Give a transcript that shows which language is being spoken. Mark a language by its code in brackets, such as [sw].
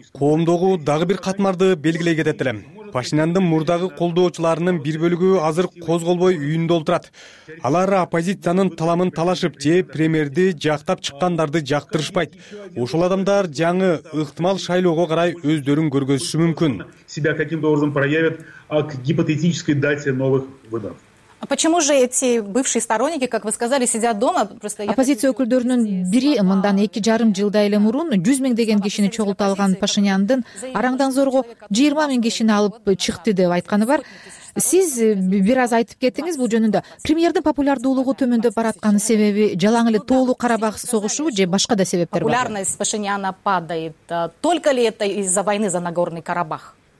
[ky] Коомдогу дагы бир катмарды белгилей кетет элем. Пашиняндын мурдагы колдоочуларынын бир бөлүгү азыр козголбой үйүндө олтурат. Алар оппозициянын таламын талашып же премьерди жактап чыккандарды жактырышпайт. Ошол адамдар жаңы ыктымал шайлоого карай өздөрүн көргөзүшү мүмкүн. [ru] Себя каким-то образом проявят к гипотетической дате новых выборов. А почему же эти бывшие сторонники, как вы сказали, сидят дома? Просто [ky] оппозиция өкүлдөрүнүн бири мындан 2,5 жылдай эле мурун 100 000 деген кишини чогулта алган Пашиняндын араңдан зорго 20 000 кишини алып чыкты деп айтканы бар. Сиз бир аз айтып кеттиңиз бул жөнүндө. Премьердин популярдуулугу төмөндөп баратканы себеби жалаң эле Тоолу Карабах согушу же башка да себептер бар? [ru] Популярность Пашиняна падает. Только ли это из-за войны за Нагорный Карабах?